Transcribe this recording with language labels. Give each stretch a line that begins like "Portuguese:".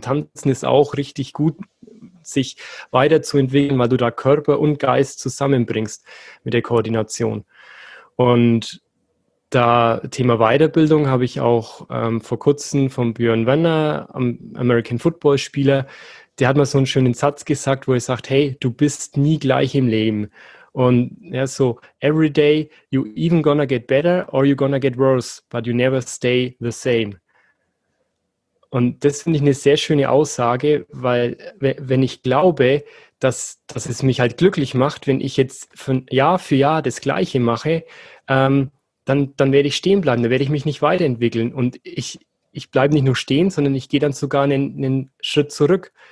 German: Tanzen ist auch richtig gut, sich weiterzuentwickeln, weil du da Körper und Geist zusammenbringst mit der Koordination. Und da Thema Weiterbildung habe ich auch vor kurzem von Björn Werner, American Football Spieler, der hat mal so einen schönen Satz gesagt, wo er sagt, hey, du bist nie gleich im Leben. Und ja,
English: so, every day you even gonna get better or you gonna get worse, but you never stay the same.
German: Und das finde ich eine sehr schöne Aussage, weil wenn ich glaube, dass es mich halt glücklich macht, wenn ich jetzt von Jahr für Jahr das Gleiche mache, dann werde ich stehen bleiben, dann werde ich mich nicht weiterentwickeln. Und ich bleibe nicht nur stehen, sondern ich gehe dann sogar einen Schritt zurück.